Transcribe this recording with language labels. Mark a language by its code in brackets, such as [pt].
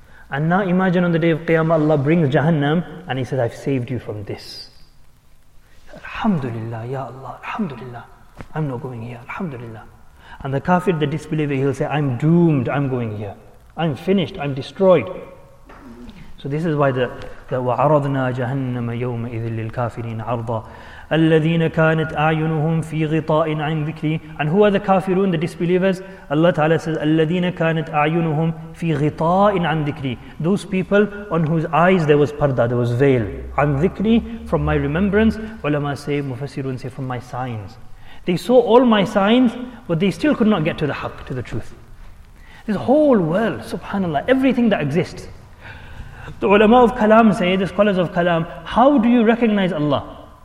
[en] And now imagine on the day of Qiyamah, Allah brings Jahannam and He says, I've saved you from this. Alhamdulillah, Ya Allah, Alhamdulillah. I'm not going here, Alhamdulillah. And the kafir, the disbeliever, he'll say, I'm doomed, I'm going here. I'm finished, I'm destroyed. So this is why the [ar] وَعَرَضْنَا جَهَنَّمَ يَوْمَ إِذٍ لِلْكَافِرِينَ عَرْضًا الَّذِينَ كَانَتْ أَعْيُنُهُمْ فِي غِطَاءٍ عَنْ ذِكْرِي. [en] And who are the kafirun, the disbelievers? Allah Ta'ala says, [ar] الَّذِينَ كَانَتْ أَعْيُنُهُمْ فِي غِطَاءٍ عَنْ ذِكْرِي. [en] Those people on whose eyes there was parda, there was veil. [ar] عَنْ ذِكْرِي, [en] from my remembrance. Ulama say, Mufassirun say, from my signs. They saw all my signs, but they still could not get to the haqq, to the truth. This whole world, subhanAllah, everything that exists. The ulama of kalam say, the scholars of kalam, how do you recognize Allah?